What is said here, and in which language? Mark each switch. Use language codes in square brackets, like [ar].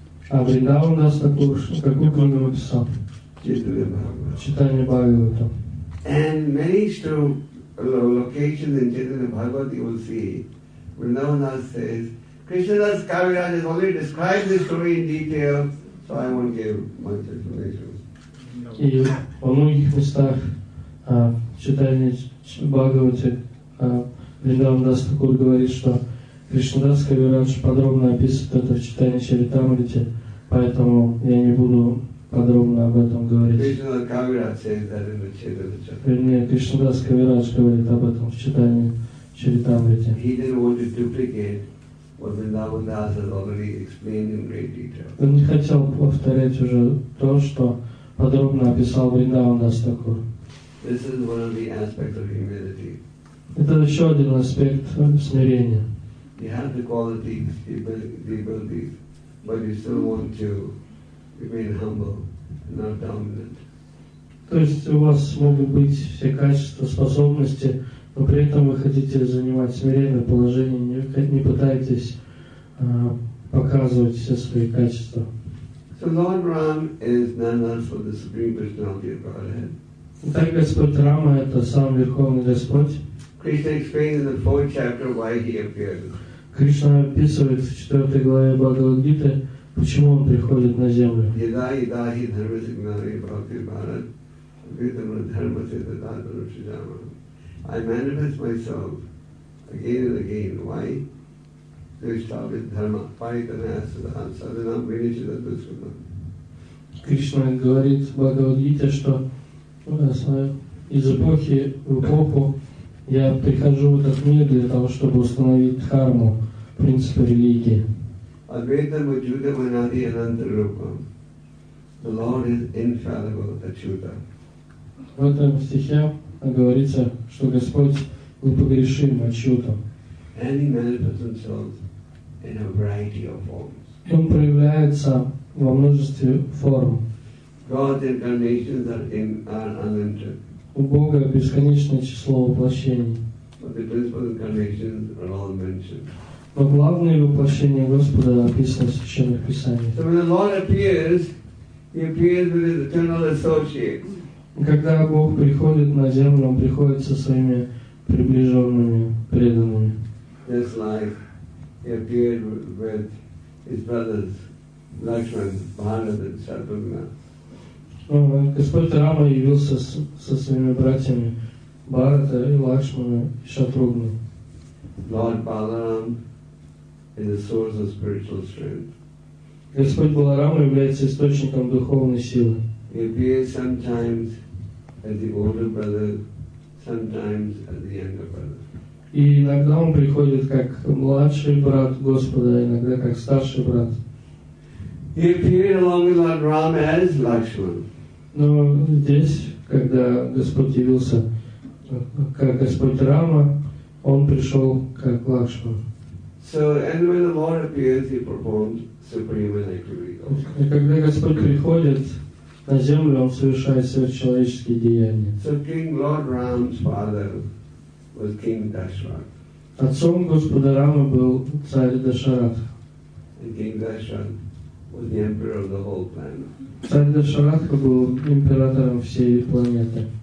[ru] А Вриндаванадас Такур какую книгу написал? Чайтанья Бхагавата. [en] And many locations in Chaitanya Bhagavata you will see, Vrindavanadas says, Krishnadas Kaviraj has only described this story in detail, so I won't give much information. [ru] И во многих местах Чайтанья Бхагавата Вриндавандас Такур говорит, что Кришнадас Кавирадж подробно описывает это в Чайтанья Чаритамрите, поэтому я не буду подробно об этом говорить. Вернее, Кришнадас Кавирадж говорит об этом в Чайтанья Чаритамрите. [en] what Vrindavan Das has already explained in great detail. [ru] Он не хотел повторять уже то, что подробно описал Вриндаван Дас Такур. [en] This is one of the aspects of humility. [ru] Это еще один аспект смирения. [en] You have the qualities, the abilities, but you still want to remain humble, not dominant. [ru] То есть у вас могут быть все качества, способности, но при этом вы хотите занимать смиренное положение, не пытаетесь показывать все свои качества. [en] So Lord Ram is Nandan for the Supreme Personality of Godhead. [ru] Итак, Господь Рама – это Сам Верховный Господь. [en] Krishna explains in the fourth chapter why He appeared. [ru] Кришна описывает в 4 главе Бхагавад-гиты, почему Он приходит на землю. Yadayidahi dharma signale bhaktibharat vidhamra dharma siddhatatana shijama. [en] I manifest myself again and again. Why? Krishna dharma paritanasadhan sadhanam vinishadadusvatam. [ru] Кришна говорит в Бхагавад-гите, что из эпохи в эпоху я прихожу в этот мир для того, чтобы установить дхарму, принципы религии. Advaita Vajuta Vanadi Ananta Rupam. [en] The Lord is infallible, Achyuta. [ru] В этом стихе говорится, что Господь непогрешим, Achyuta. [en] And He manifests Himself in a variety of forms. [ru] Он проявляется во множестве форм. [en] God's incarnations are unlimited. [ru] У Бога бесконечное число воплощений. [en] But the principal incarnations are all mentioned. [ru] Но главное воплощение Господа описано в Священных Писаниях. [en] So when the Lord appears, He appears with His eternal associates. [ru] Когда Бог приходит на землю, Он приходит со своими приближенными, преданными. [en] This life, He appeared with His brothers, Lakshman, Bharat, and Shatrughna. [ru] Господь Рама явился со своими братьями Бхарата и Лакшмана и Шатругна. [en] Lord Balaram is the source of spiritual strength. [ru] Господь Баларама является источником духовной силы. [en] He appears sometimes as the older brother, sometimes as the younger brother. [ru] И иногда он приходит как младший брат Господа, иногда как старший брат. [en] He appeared along with Lord Rama as Lakshman. [ru] Но здесь, когда Господь явился как Господь Рама, Он пришел как Лакшман. [en] So, and when the Lord appears, He performs supreme activity. [ru] И когда Господь приходит на землю, Он совершает сверхчеловеческие деяния. [en] So King Lord Ram's father was King Dasharatha. [ru] Отцом Господа Рамы был царь Дашаратха. [en] And King Dasharatha was the emperor of the whole planet. [ru] Царь Дашаратха был императором всей планеты.